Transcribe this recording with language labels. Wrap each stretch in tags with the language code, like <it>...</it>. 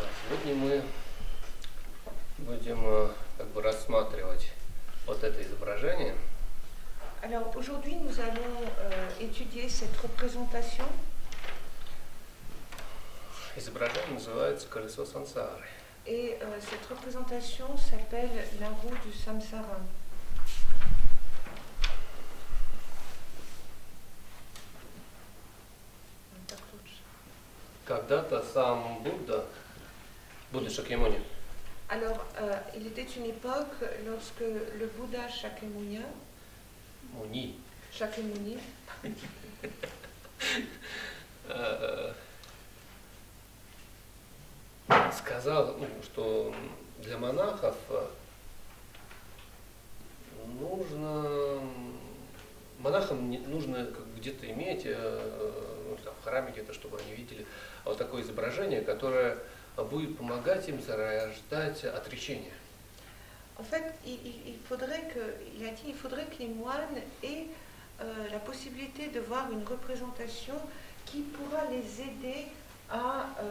<ru>сегодня мы будем как бы рассматривать вот это изображение.</ru> <fr>Alors aujourd'hui nous allons étudier cette représentation.</fr> <ru>Изображение называется колесо сансары.</ru> <fr>Et cette représentation s'appelle la roue du samsara.</fr> <ru>Когда-то сам Будда, будучи Шакьямуни.</ru> <fr>Alors, il était une époque lorsque le Bouddha Shakyamuni.</fr> <ru>Муни. Шакьямуни. Сказал, что для монахов нужно, монахам нужно где-то иметь, ну, там, в храме где-то, чтобы они видели вот такое изображение, которое будет помогать им зарождать отречение.</ru> <fr>En fait, il a dit, il faudrait que les moines aient la possibilité de voir une représentation qui pourra les aider à</fr>